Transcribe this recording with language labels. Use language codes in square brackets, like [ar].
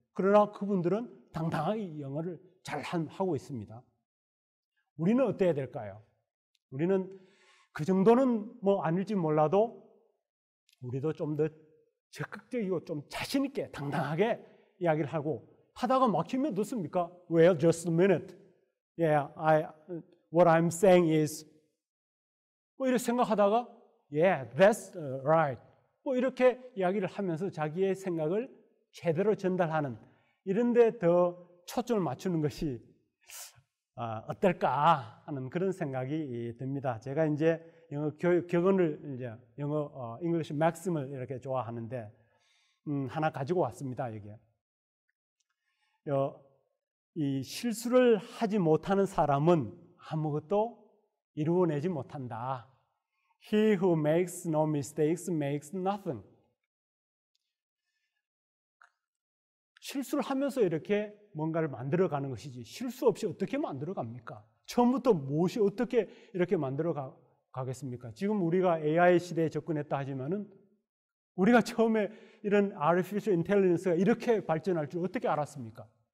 [ko] 그러나 그분들은 당당하게 영어를 잘 하고 있습니다. 우리는 어때야 될까요? 우리는 그 정도는 뭐 아닐지 몰라도 우리도 좀 더 적극적이고 좀 자신 있게 당당하게 이야기를 하고 하다가 막히면 어떻습니까? [en] Well, just a minute. Yeah, what I'm saying is [ko] 뭐 이렇게 생각하다가 [en] Yeah, that's right. [ko] 뭐 이렇게 이야기를 하면서 자기의 생각을 제대로 전달하는 이런 데 더 초점을 맞추는 것이 어떨까 하는 그런 생각이 듭니다. 제가 이제 영어 격언을 이제 영어 English Maxim을 이렇게 좋아하는데 하나 가지고 왔습니다. 여기 이 실수를 하지 못하는 사람은 아무것도 이루어내지 못한다. [en] He who makes no mistakes makes nothing. [ko] 실수를 하면서 이렇게 뭔가를 만들어가는 것이지 실수 없이 어떻게 만들어갑니까? 처음부터 무엇이 어떻게 이렇게 만들어가겠습니까? 지금 우리가 AI 시대에 접근했다 하지만은 우리가 처음에 이런 Artificial Intelligence가 이렇게 발전할 줄 어떻게 알았습니까?